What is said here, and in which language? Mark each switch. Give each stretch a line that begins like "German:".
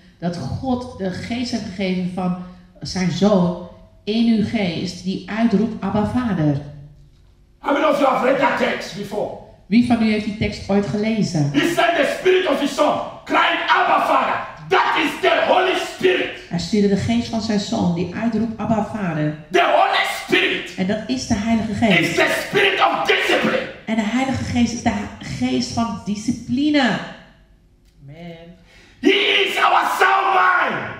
Dutch: Dat God de geest heeft gegeven van zijn zoon in uw geest die uitroept Abba Vader.
English: How many of you have read that text before?
Dutch: Wie van u heeft die tekst ooit gelezen?
English: He sent the spirit of his son crying Abba Father. That is the Holy Spirit.
Dutch: Hij stuurde de geest van zijn zoon die uitroept Abba Vader.
English: The Holy Spirit.
Dutch: En dat is de Heilige Geest.
English: It's the spirit of discipline.
Dutch: En de Heilige Geest is de geest van discipline.
English: He is our sound mind.